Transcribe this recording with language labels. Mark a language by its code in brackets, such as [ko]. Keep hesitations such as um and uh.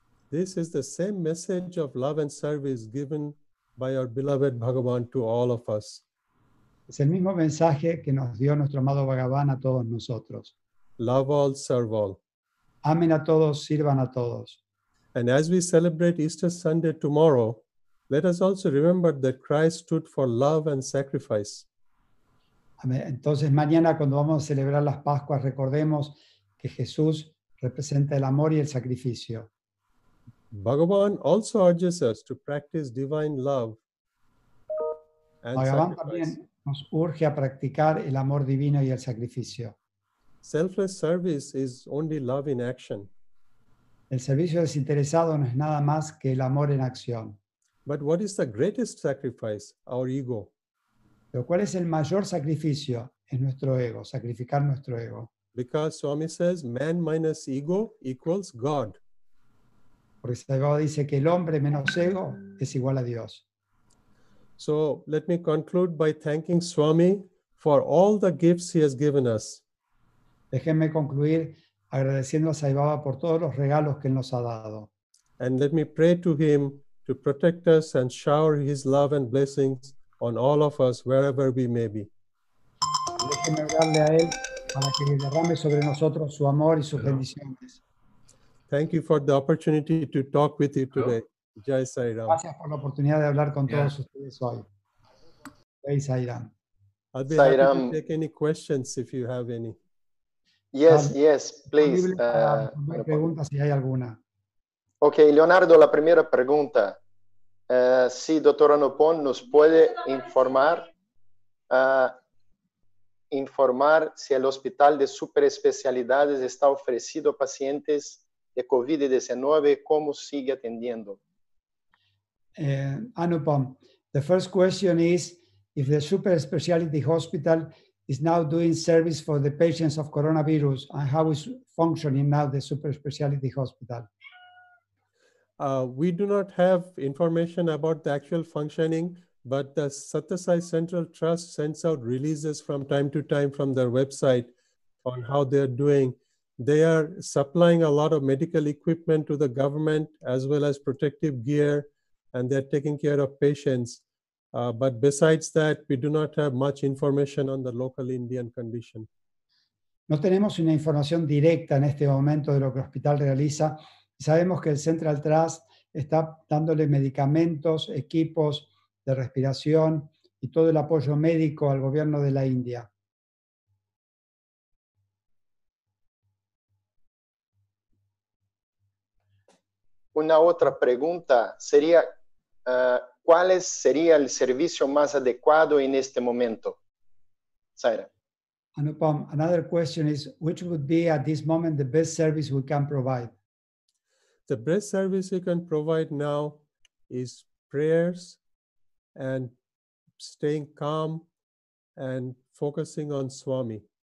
[en] This is the same message of love and service given by our beloved Bhagavan to all of us. [es] Es el mismo mensaje que nos dio nuestro amado Bhagavan a todos nosotros. [en] love all, serve all. [es] Amen a todos, sirvan a todos. [en] And as we celebrate Easter Sunday tomorrow, let us also remember that Christ stood for love and sacrifice. [es] Amén. Entonces mañana cuando vamos a celebrar las Pascuas recordemos que Jesús representa el amor y el sacrificio. [en] Bhagavan also urges us to practice divine love and Bhagavan sacrifice. [es] también nos urge a practicar el amor divino y el sacrificio. [en] Selfless service is only love in action. [es] El servicio desinteresado no es nada más que el amor en acción, [en] But what is the greatest sacrifice? Our ego. [es] lo cual es el mayor sacrificio en nuestro ego, sacrificar nuestro ego. [en] Because Swami says man minus ego equals God. [es] Porque Salvador dice que el hombre menos ego es igual a Dios. [en] So let me conclude by thanking Swami for all the gifts he has given us. [es] Déjenme concluir agradeciendo a Sai Baba por todos los regalos que él nos ha dado. [en] And let me pray to him to protect us and shower his love and blessings on all of us wherever we may be. [es] Déjenme orarle a él para que derrame sobre nosotros su amor y sus bendiciones. [en] Thank you for the opportunity to talk with you today. [hi] Jai Sai Ram. [es] Gracias por la oportunidad de hablar con todos ustedes hoy. [hi] Jai Sai Ram. [en] I'll be [hi] Sai [en] happy [hi] Ram. [en] to take any questions if you have any. Yes, yes, please. [es] Disponible para uh, responder preguntas si hay alguna. ok, Leonardo, la primera pregunta. Eh, si doctora Nopon nos puede informar, ah, informar si el hospital de superespecialidades está ofrecido a pacientes de COVID-19, cómo sigue atendiendo. [en] Uh, Anupam, the first question is if the super specialty hospital is now doing service for the patients of coronavirus and how is functioning now the super specialty hospital. Uh, we do not have information about the actual functioning, but the Satasai Central Trust sends out releases from time to time from their website on how they're doing. They are supplying a lot of medical equipment to the government as well as protective gear, and they're taking care of patients. Uh, but besides that, we do not have much information on the local Indian condition. [es] No tenemos una información directa en este momento de lo que el hospital realiza. Sabemos que el Central Trust está dándole medicamentos, equipos de respiración y todo el apoyo médico al gobierno de la India. Una otra pregunta sería, ah, ¿cuál es- sería el servicio más adecuado en este momento? Zaira. [en] Anupam, another question is which would be at this moment the best service we can provide? the best service you can provide now is prayers and staying calm and focusing on Swami.